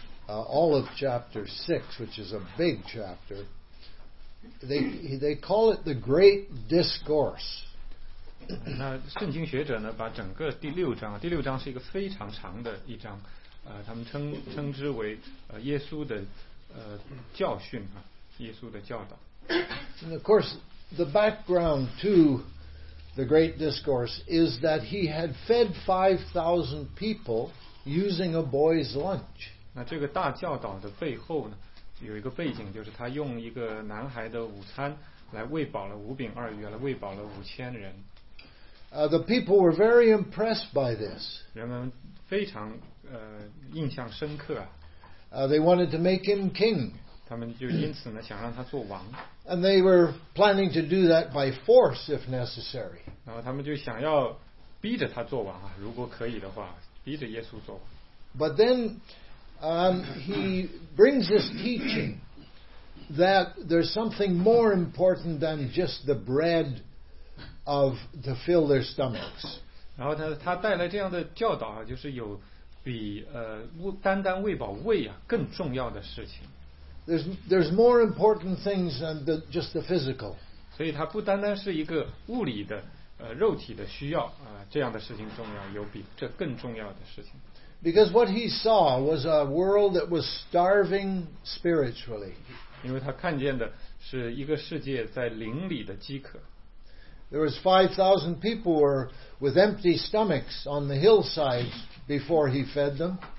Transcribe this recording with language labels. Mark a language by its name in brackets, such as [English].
[English] all of chapter 6, which is a big chapter. They call it the Great Discourse. [Chinese] 那圣经学者呢，把整个第六章，第六章是一个非常长的一章，他们称之为耶稣的教训啊，耶稣的教导。 [English] And of course, the background to the Great Discourse is that he had fed 5,000 people using a boy's lunch. [Chinese] 那这个大教导的背后呢，有一个背景，就是他用一个男孩的午餐来喂饱了五饼二鱼，来喂饱了五千人。 [English] The people were very impressed by this. [Chinese] 人们非常印象深刻啊。 [English] They wanted to make him king. [Chinese] 他们就因此呢想让他做王。 [English] And they were planning to do that by force if necessary. [Chinese] 然后他们就想要逼着他做王啊，如果可以的话，逼着耶稣做。 [English] But then, he brings this teaching that there's something more important than just the bread. Of to fill their stomachs. [Chinese] 然后他带来这样的教导啊，就是有比单单喂饱胃啊更重要的事情。 [English] There's more important things than just the physical. [Chinese] 所以它不单单是一个物理的肉体的需要啊这样的事情重要，有比这更重要的事情。 [English] Because what he saw was a world that was starving spiritually. [Chinese] 因为他看见的是一个世界在灵里的饥渴。 [English] There was 5,000 people were with empty stomachs on the hillsides before he fed them.